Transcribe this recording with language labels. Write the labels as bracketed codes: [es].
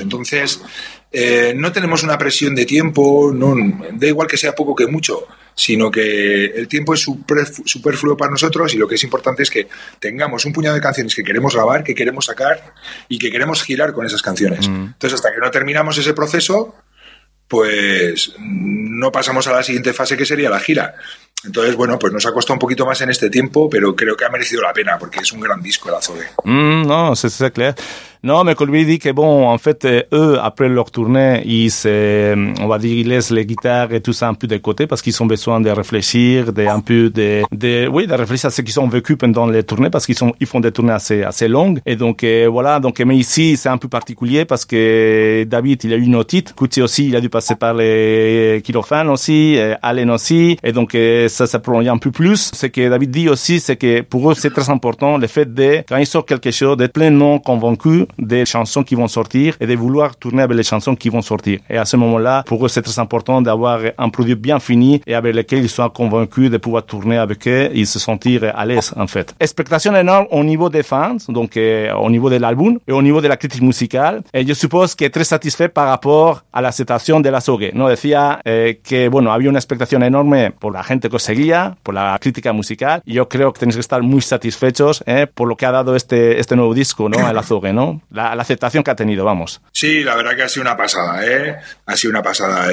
[es] Entonces, no tenemos una presión de tiempo, no, da igual que sea poco que mucho, sino que el tiempo es superfluo para nosotros y lo que es importante es que tengamos un puñado de canciones que queremos grabar, que queremos sacar y que queremos girar con esas canciones. Entonces, hasta que no terminamos ese proceso, pues no pasamos a la siguiente fase, que sería la gira. Entonces, bueno, pues nos ha costado un poquito más en este tiempo, pero creo que ha merecido la pena, porque es un gran disco el Azogue. [fr] No, c'est clair. No, mais comme il dit que bon, en fait, eux, après leur tournée, on va dire, ils laissent les guitares et tout ça un peu de côté parce qu'ils ont besoin de réfléchir, de réfléchir à ce qu'ils ont vécu pendant les tournées parce qu'ils font des tournées assez longues. Et donc, voilà. Donc, mais ici, c'est un peu particulier parce que David, il a eu une otite. Cuti aussi, il a dû passer par les quirophanes aussi, Alain aussi. Et donc, ça prolonge un peu plus. Ce que David dit aussi, c'est que pour eux, c'est très important le fait de, quand ils sortent quelque chose, d'être pleinement convaincu des chansons qui vont sortir et de vouloir tourner avec les chansons qui vont sortir. Et à ce moment-là, pour eux, c'est très important d'avoir un produit bien fini et avec lequel ils soient convaincus de pouvoir tourner avec eux et se sentir à l'aise, en fait. Expectation énorme au niveau des fans, donc au niveau de l'album et au niveau de la critique musicale. Et je suppose qu'il est très satisfait par rapport à l'acceptation de la Azogue. [es] Nous decía que, bueno, había una expectación enorme por la gente que os seguía, por la crítica musical. Yo creo que tenéis que estar muy satisfechos por lo que ha dado este nuevo disco, ¿no?, a la Azogue, ¿no? La aceptación que ha tenido, vamos. Sí, la verdad que ha sido una pasada, ¿eh? Ha sido una pasada.